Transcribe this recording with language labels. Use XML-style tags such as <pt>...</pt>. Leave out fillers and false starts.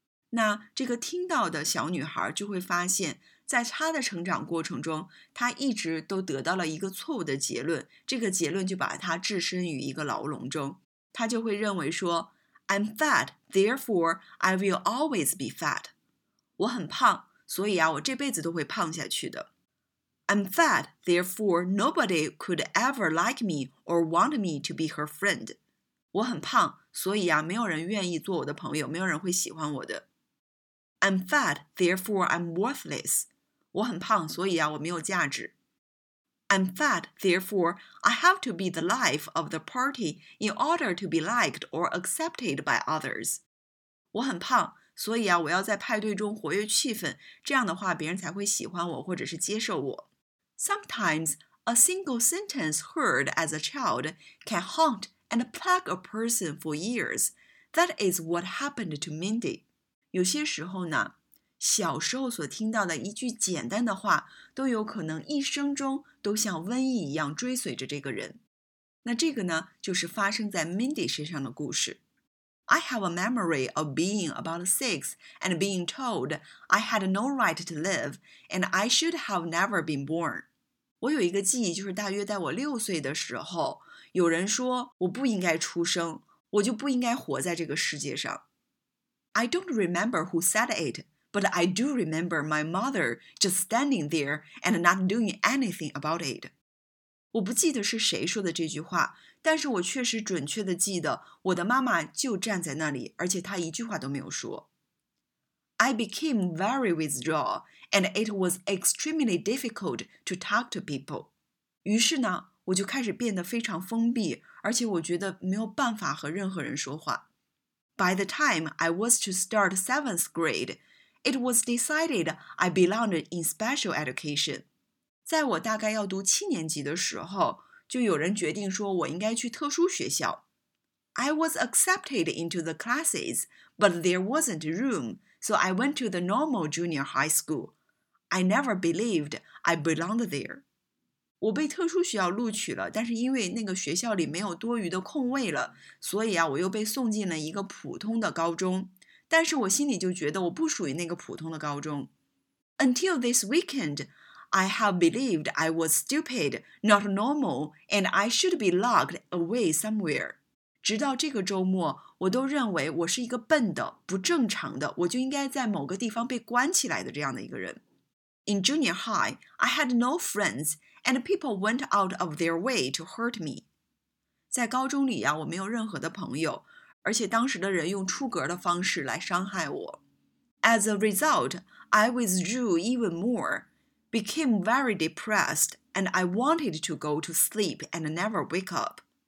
<zh>那这个听到的小女孩就会发现，在他的成长过程中，他一直都得到了一个错误的结论，这个结论就把他置身于一个牢笼中。他就会认为说</zh> <en>I'm fat, therefore I will always be fat.</en> <zh>我很胖，所以啊，我这辈子都会胖下去的。</zh> <en>I'm fat, therefore nobody could ever like me or want me to be her friend.</en> <zh>我很胖，所以啊，没有人愿意做我的朋友，没有人会喜欢我的。</zh> <en>I'm fat, therefore I'm worthless.</en> <zh>我很胖，所以啊，我没有价值。</zh> <en>I'm fat, therefore I have to be the life of the party in order to be liked or accepted by others.</en> <zh>我很胖，所以啊，我要在派对中活跃气氛，这样的话别人才会喜欢我或者是接受我。</zh> <en>Sometimes a single sentence heard as a child can haunt and plague a person for years. That is what happened to Mindy.</en> <zh>有些时候呢，小时候所听到的一句简单的话，都有可能一生中都像瘟疫一样追随着这个人。那这个呢，就是发生在 Mindy 身上的故事。</zh> <en>I have a memory of being about six and being told I had no right to live and I should have never been born.</en> <zh>我有一个记忆，就是大约在我六岁的时候，有人说我不应该出生，我就不应该活在这个世界上。</zh> <en>I don't remember who said it, but I do remember my mother just standing there and not doing anything about it.</en> <zh>我不记得是谁说的这句话，但是我确实准确地记得我的妈妈就站在那里，而且她一句话都没有说。</zh> <en>I became very withdrawn, and it was extremely difficult to talk to people.</en> <zh>于是呢，我就开始变得非常封闭，而且我觉得没有办法和任何人说话。</zh> <en>By the time I was to start seventh grade, it was decided I belonged in special education.</en> <zh>在我大概要读七年级的时候，就有人决定说我应该去特殊学校。</zh> <en>I was accepted into the classes, but there wasn't room, so I went to the normal junior high school. I never believed I belonged there.</en> <zh>我被特殊学校录取了，但是因为那个学校里没有多余的空位了，所以啊，我又被送进了一个普通的高中。但是我心里就觉得我不属于那个普通的高中。</zh> <en>Until this weekend, I have believed I was stupid, not normal, and I should be locked away somewhere.</en> <zh>直到这个周末，我都认为我是一个笨的、不正常的，我就应该在某个地方被关起来的这样的一个人。</zh> <en>In junior high, I had no friends, and people went out of their way to hurt me.</en> <zh>在高中里啊，我没有任何的朋友，而且当时的人用出格的方式来伤害我。</zh> <en>As a result, I withdrew even more, became very depressed, and I wanted to go to sleep and never wake up.</en>